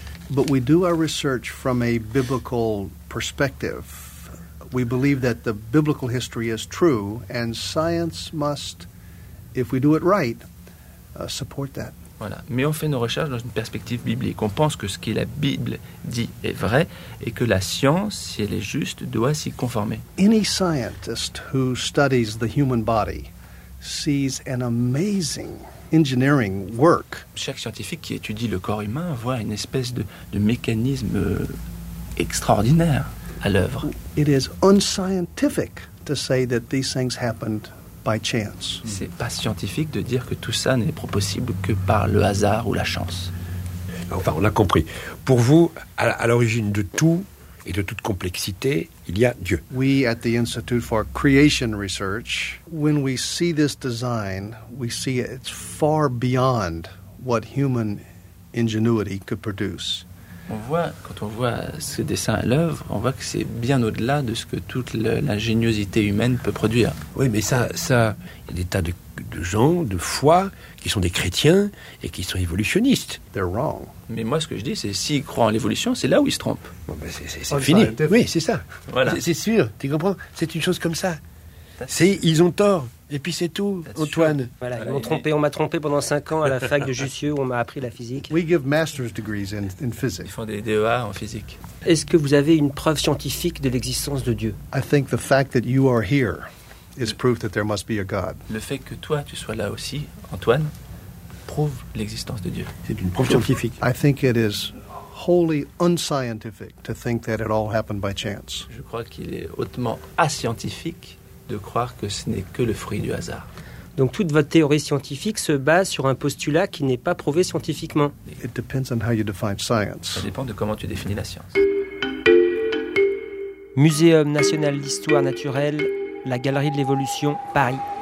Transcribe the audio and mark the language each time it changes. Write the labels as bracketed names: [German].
[English] But we do our research from a biblical perspective. We believe that the biblical history is true, and science must, if we do it right, support that. [French] Voilà. Mais on fait nos recherches dans une perspective biblique. On pense que ce que la Bible dit est vrai et que la science, si elle est juste, doit s'y conformer. [English] Any scientist who studies the human body sees an amazing engineering work. [French] Chaque scientifique qui étudie le corps humain voit une espèce de mécanisme extraordinaire à l'œuvre. [English] It is unscientific to say that these things happened by chance. [French] C'est pas scientifique de dire que tout ça n'est possible que par le hasard ou la chance. Enfin, on a compris. Pour vous, à l'origine de tout et de toute complexité, il y a Dieu. [English] We at the Institute for Creation Research, when we see this design, we see it's far beyond what human ingenuity could produce. [French] On voit, quand on voit ce dessin à l'œuvre, on voit que c'est bien au-delà de ce que toute l'ingéniosité humaine peut produire. Oui, mais ça, il y a des tas de gens, de foi, qui sont des chrétiens et qui sont évolutionnistes. [English] They're wrong. [French] Mais moi, ce que je dis, c'est s'ils croient en l'évolution, c'est là où ils se trompent. Bon, ben c'est fini. Oui, c'est ça. Voilà. C'est sûr, tu comprends? C'est une chose comme ça. C'est, ils ont tort. Et puis c'est tout, [English] that's [French] Antoine. Voilà, on m'a trompé pendant 5 ans à la fac de Jussieu, où on m'a appris la physique. [English] We give master's degrees in physics. [French] Ils font des DEA en physique. Est-ce que vous avez une preuve scientifique de l'existence de Dieu? [English] I think the fact that you are here is proof that there must be a God. [French] Le fait que toi tu sois là aussi, Antoine, prouve l'existence de Dieu. C'est une preuve scientifique. [English] I think it is wholly unscientific to think that it all happened by chance. [French] Je crois qu'il est hautement ascientifique de croire que ce n'est que le fruit du hasard. Donc toute votre théorie scientifique se base sur un postulat qui n'est pas prouvé scientifiquement. [English] It depends on how you define science. [French] Ça dépend de comment tu définis la science. Muséum national d'histoire naturelle, la Galerie de l'évolution, Paris.